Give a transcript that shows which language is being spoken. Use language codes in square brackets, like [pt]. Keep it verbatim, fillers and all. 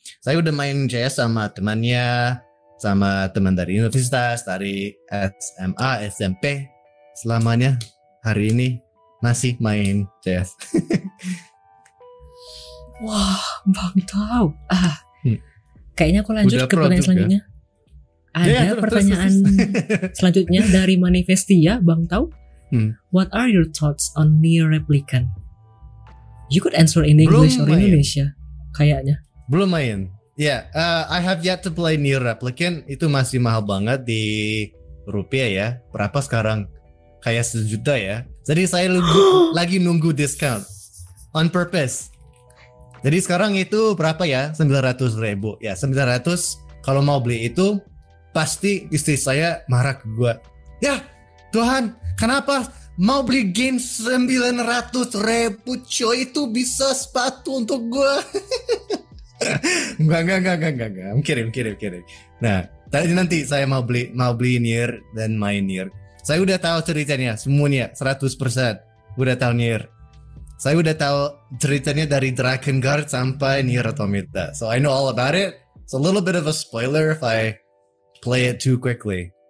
[id] Saya udah main C S sama temannya, sama teman dari universitas, dari S M A, S M P, selamanya hari ini masih main C S. Wah Bang Tau ah hmm. kayaknya aku lanjut udah ke pertanyaan selanjutnya ya? Ada ya, pertanyaan selanjutnya dari Manifestia, Bang Tau. Hmm. [en] What are your thoughts on Nier Replicant? You could answer in English [id] Belum [en] or main. [id] Indonesia, kayaknya. Belum main. [en] Ya, yeah, uh, I have yet to play Nier Replicant. [id] Itu masih mahal banget di rupiah ya. Berapa sekarang? Kayak sejuta ya. Jadi saya lugu, lagi nunggu [en] discount on purpose. [id] Jadi sekarang itu berapa ya? sembilan ratus ribu Ya, sembilan ratus kalau mau beli itu. Pasti istri saya marah ke gua. Ya Tuhan, kenapa mau beli game sembilan ratus ribu coy, itu bisa sepatu untuk gua. Enggak, enggak, enggak, enggak, enggak, enggak. Kirim, kirim, kirim. Nah, tadi nanti saya mau beli mau beli Nier dan main Nier. Saya udah tahu ceritanya semuanya seratus persen Udah tahu Nier. Saya udah tahu ceritanya dari Dragon Guard sampai Nier Automata. [en] So I know all about it. It's a little bit of a spoiler if I play it too quickly.